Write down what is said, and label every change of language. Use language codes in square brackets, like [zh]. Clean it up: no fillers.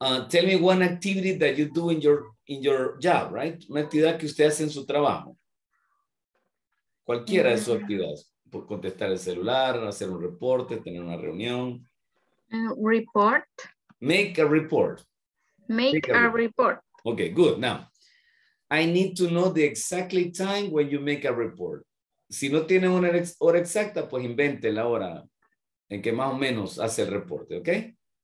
[en] Tell me one activity that you do in your job, right? [es] Una actividad que usted hace en su trabajo. Cualquiera de sus actividades. Por contestar el celular, hacer un reporte, tener una reunión. [en] Report. Make a report. Make a report. Okay, good. Now, I need to know the exact time when you make a report. [es] Si no tiene una hora exacta, pues invente la hora en que más o menos hace el reporte, okay?